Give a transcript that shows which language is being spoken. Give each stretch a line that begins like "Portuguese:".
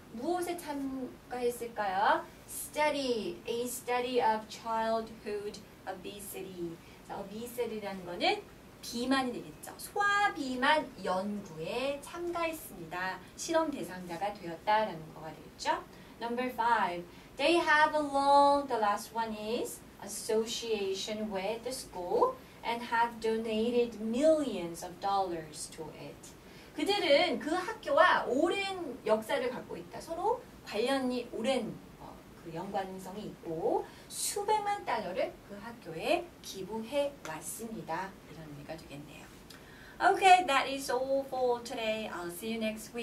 Korean: 무엇에 참가했을까요?
English: A study of childhood obesity.
Korean: 자, obesity라는 거는 비만이 되겠죠. 소아비만 연구에 참가했습니다. 실험 대상자가 되었다라는 거가 되겠죠.
English: Number five, they have a long, the last one is, association with the school. And have donated millions of dollars to it.
Korean: 그들은 그 학교와 오랜 역사를 갖고 있다. 서로 관련이 오랜 그 연관성이 있고 수백만 달러를 그 학교에 기부해 왔습니다. 이런 의미가 되겠네요.
English: Okay, that is all for today. I'll see you next week.